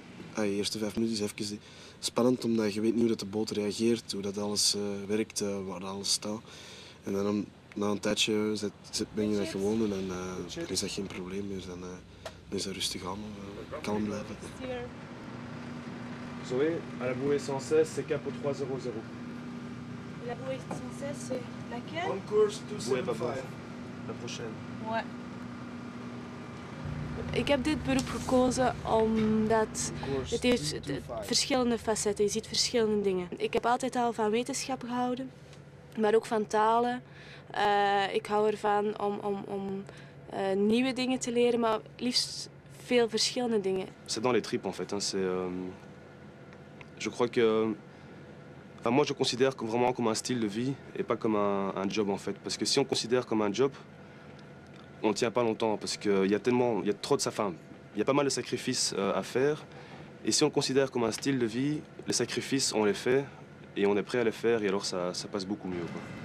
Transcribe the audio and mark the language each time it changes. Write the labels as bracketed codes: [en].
[nl] Ah, de eerste 5 minuten is even spannend, omdat je weet niet hoe dat de boot reageert, hoe dat alles werkt, waar alles staat. En dan na een tijdje ben je dat gewoon en dan is dat geen probleem meer. Dan is dat rustig aan, kalm blijven. [fr] Zoé, à la bouée 116, c'est cap au 300. La bouée 116, c'est laquelle? On course 275. La prochaine. Ouais. [nl] Ik heb dit beroep gekozen omdat het heeft verschillende facetten. Je ziet verschillende dingen. Ik heb altijd al van wetenschap gehouden, maar ook van talen. Ik hou ervan om nieuwe dingen te leren, maar liefst veel verschillende dingen. [fr] C'est dans les tripes en fait, hein. Je crois que... Enfin, moi, je considère vraiment comme un style de vie et pas comme un job, en fait. Parce que si on considère comme un job, on ne tient pas longtemps parce qu'il y a tellement... Il y a trop de... Enfin, il y a pas mal de sacrifices à faire. Et si on considère comme un style de vie, les sacrifices, on les fait et on est prêt à les faire et alors ça passe beaucoup mieux, quoi.